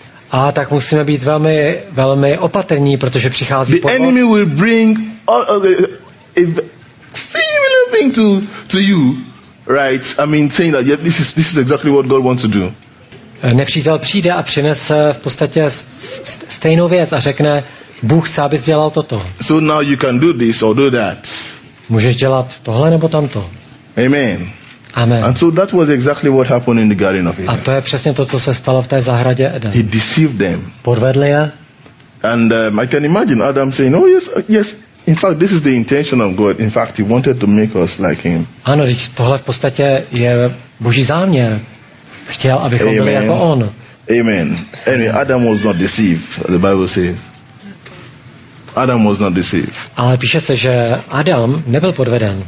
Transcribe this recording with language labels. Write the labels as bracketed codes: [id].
[cs] A tak musíme být velmi, velmi opatrní, protože přichází podvod. [en] The enemy will bring a similar thing to you. Right, I mean saying that yeah, this is exactly what God wants to do. [cs] Nepřítel přijde a přinese v podstatě stejnou věc a řekne, Bůh se, abys dělal toto. [en] So now you can do this or do that. [cs] Můžeš dělat tohle nebo tamto. [en] Amen. Amen. And so that was exactly what happened in the Garden of Eden. [cs] A to je přesně to, co se stalo v té zahradě Eden. [en] He deceived them. [cs] Podvedl je. [en] And I can imagine Adam saying, oh yes, yes. In fact, this is the intention of God. In fact, he wanted to make us like him. [cs] Ano, tohle v podstatě je Boží záměr. Chtěl, abychom byli jako on. [en] Amen. Anyway, Adam was not deceived, the Bible says. Adam was not deceived. [cs] Ale píše se, že Adam nebyl podveden.